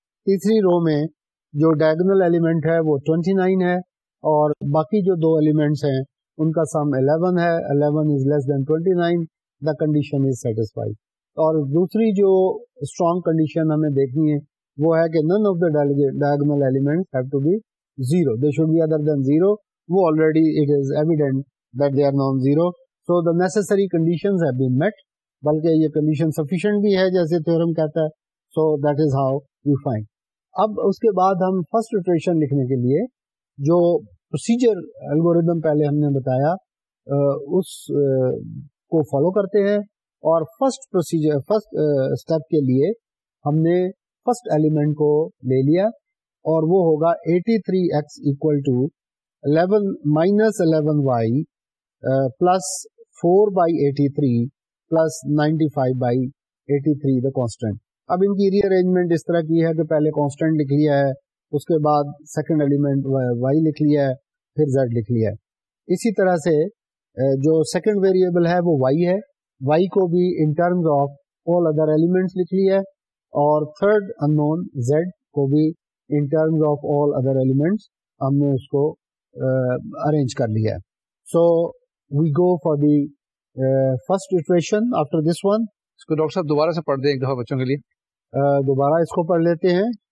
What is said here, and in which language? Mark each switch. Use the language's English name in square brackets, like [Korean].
[Urdu] تیسری رو میں جو ڈائگنل ایلیمنٹ ہے وہ 29 ہے اور باقی جو دو ایلیمنٹس ہیں ان کا سم 11 ہے, [English] 11 is less than 29, the condition is satisfy. [Urdu] اور دوسری جو اسٹرانگ کنڈیشن ہمیں دیکھنی ہے وہ ہے کہ [English] None of the diagonal elements have to be zero, they should be other than zero. وہ already it is evident that they are non zero, so the necessary conditions have been met. [Urdu] بلکہ یہ condition sufficient بھی ہے جیسے theorem کہتا ہے, [English] So that is how you find. [Urdu] اب اس کے بعد ہم فرسٹ اٹریشن لکھنے کے لیے جو پروسیجر الگوریدم پہلے ہم نے بتایا اس کو فالو کرتے ہیں. اور فرسٹ پروسیجر فرسٹ اسٹیپ کے لیے ہم نے فرسٹ ایلیمنٹ کو لے لیا اور وہ ہوگا [English] 83x equal to 11 minus 11y plus 4 by 83 plus 95 by 83 the constant. [Urdu] اب ان کی ری ارینجمنٹ اس طرح کی ہے کہ پہلے کانسٹنٹ لکھ لیا ہے, اس کے بعد سیکنڈ ایلیمنٹ وائی لکھ لیا ہے, پھر زیڈ لکھ لیا ہے. اسی طرح سے جو سیکنڈ ویریبل ہے وہ وائی ہے, وائی کو بھی in terms of all other elements لکھ لیا ہے, اور تھرڈ ان نون زیڈ کو بھی in terms of all other elements ہم نے اس کو ارینج کر لیا ہے. [English] So we go for the first iteration after this one. [Urdu] اس کو ڈاکٹر صاحب دوبارہ سے پڑھ دیں ایک دفعہ بچوں کے لیے. دوبارہ اس کو پڑھ لیتے ہیں.